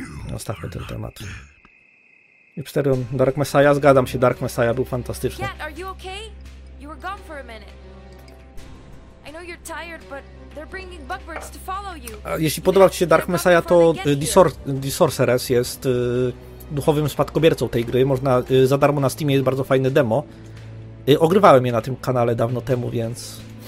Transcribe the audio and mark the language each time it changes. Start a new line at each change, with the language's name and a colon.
Polish: Zostawmy ten temat. Hipsterion, Dark Messiah, zgadzam się, Dark Messiah był fantastyczny. Kat, jesteś w porządku? Byłeś
English: gone for a minute. I know you're tired, but they're bringing bugbirds to follow you.
Polish: Jeśli podoba ci się Dark Messiah, to Sorceress jest duchowym spadkobiercą tej gry. Można za darmo na Steamie, jest bardzo fajne demo. Ogrywałem je na tym kanale dawno temu, więc...